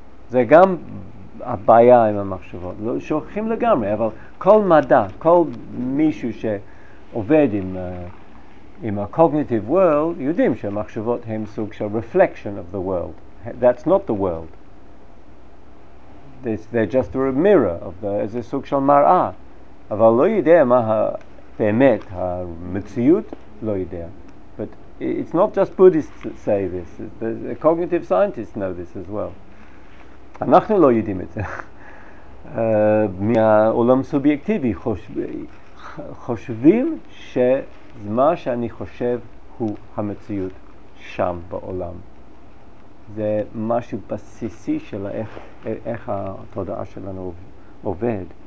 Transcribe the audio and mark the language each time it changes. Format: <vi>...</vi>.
<he>זה גם הבעיה עם המחשבות. לא שוכחים לגמרי, אבל כל מדע, כל מישהו ש עובד עם ה-</he> <en>cognitive world,</en> <he>יודעים שהמחשבות הם סוג של</he> <en>reflection of the world. That's not the world. They're just a mirror of the, as a</en> <he>סוג של מראה. אבל לא יודע מה באמת המציאות, לא יודע.</he> <en>But it's not just Buddhists that say this. The cognitive scientists know this as well.</en> <he>אנחנו לא יודעים את זה. מהעולם סובייקטיבי חושבים שמה שאני חושב הוא המציאות שם בעולם. זה משהו בסיסי של איך התודעה שלנו עובד.</he>